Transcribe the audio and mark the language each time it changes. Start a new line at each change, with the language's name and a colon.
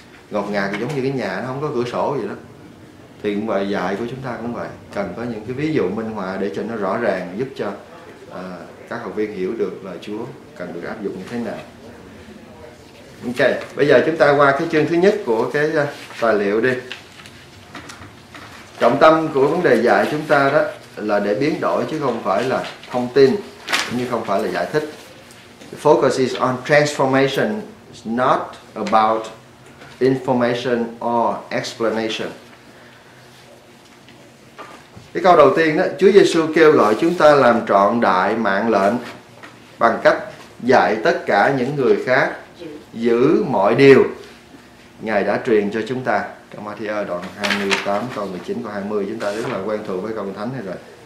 Vietnamese: Ngột ngạt thì giống như cái nhà nó không có cửa sổ vậy đó. Thì cũng vậy, dạy của chúng ta cũng vậy, cần có những cái ví dụ minh họa để cho nó rõ ràng, giúp cho các học viên hiểu được lời Chúa cần được áp dụng như thế nào. Ok, bây giờ chúng ta qua cái chương thứ nhất của cái tài liệu đi. Trọng tâm của vấn đề dạy chúng ta đó là để biến đổi, chứ không phải là thông tin, cũng như không phải là giải thích.
English: The focus is on transformation, it's not about information or explanation.
Vietnamese: Cái câu đầu tiên đó, Chúa Giê-xu kêu gọi chúng ta làm trọn đại mạng lệnh bằng cách dạy tất cả những người khác giữ mọi điều Ngài đã truyền cho chúng ta. Trong Ma-thi-ơ đoạn 28 câu 19 câu 20 chúng ta rất là quen thuộc với câu kinh thánh này rồi.